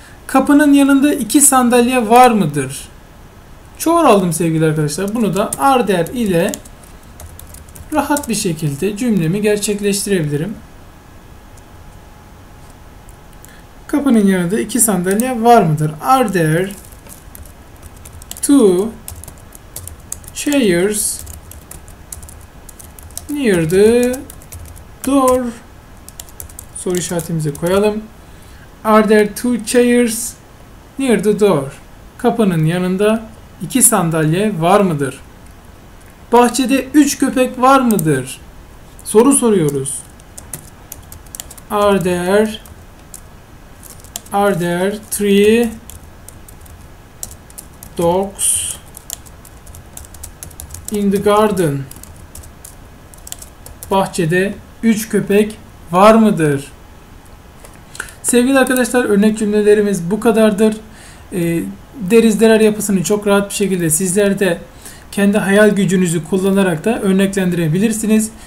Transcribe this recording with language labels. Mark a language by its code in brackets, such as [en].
[tr] Kapının yanında iki sandalye var mıdır? Çoğul aldım sevgili arkadaşlar. Bunu da are there ile rahat bir şekilde cümlemi gerçekleştirebilirim. Kapının yanında iki sandalye var mıdır? [en] Are there two chairs near the door? [tr] Soru işaretimizi koyalım. [en] Are there two chairs near the door? [tr] Kapının yanında iki sandalye var mıdır? Bahçede üç köpek var mıdır? Soru soruyoruz. [en] Are there three dogs in the garden? [tr] Bahçede 3 köpek var mıdır? Sevgili arkadaşlar örnek cümlelerimiz bu kadardır. Derizler yapısını çok rahat bir şekilde sizler de kendi hayal gücünüzü kullanarak da örneklendirebilirsiniz.